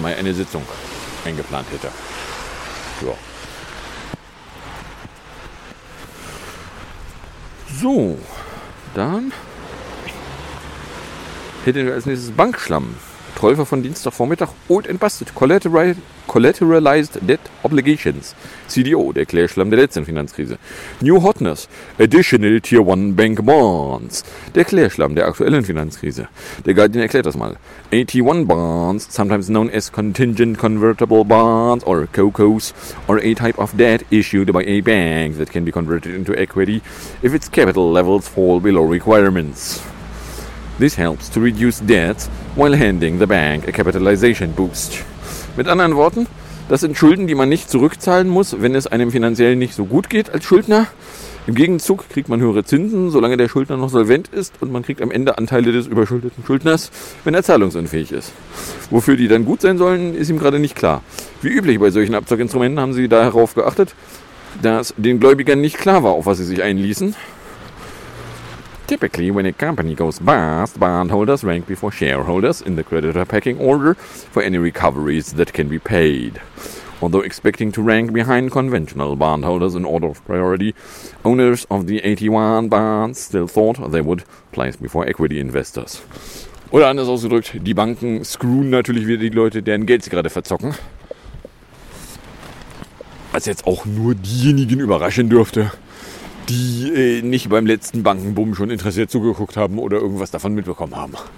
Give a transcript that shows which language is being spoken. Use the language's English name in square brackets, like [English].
[German] Mai eine Sitzung eingeplant hätte. Ja. So, dann hätten wir als nächstes Bankschlamm. Täufer von Dienstagvormittag und entbastet. [English] Collateralized Debt Obligations. [German] CDO, der Klärschlamm der letzten Finanzkrise. [English] New Hotness. Additional Tier 1 Bank Bonds. [German] Der Klärschlamm der aktuellen Finanzkrise. Der Guardian erklärt das mal. [English] AT1 Bonds, sometimes known as Contingent Convertible Bonds or COCOs, are a type of debt issued by a bank that can be converted into equity if its capital levels fall below requirements. This helps to reduce debt while handing the bank a capitalization boost. [German] Mit anderen Worten, das sind Schulden, die man nicht zurückzahlen muss, wenn es einem finanziell nicht so gut geht als Schuldner. Im Gegenzug kriegt man höhere Zinsen, solange der Schuldner noch solvent ist, und man kriegt am Ende Anteile des überschuldeten Schuldners, wenn er zahlungsunfähig ist. Wofür die dann gut sein sollen, ist ihm gerade nicht klar. Wie üblich bei solchen Abzuginstrumenten haben sie darauf geachtet, dass den Gläubigern nicht klar war, auf was sie sich einließen. [English] Typically, when a company goes bust, bondholders rank before shareholders in the creditor pecking order for any recoveries that can be paid. Although expecting to rank behind conventional bondholders in order of priority, owners of the 81 bonds still thought they would place before equity investors. [German] Oder anders ausgedrückt, die Banken screwen natürlich wieder die Leute, deren Geld sie gerade verzocken. Was jetzt auch nur diejenigen überraschen dürfte, die nicht beim letzten Bankenboom schon interessiert zugeguckt haben oder irgendwas davon mitbekommen haben.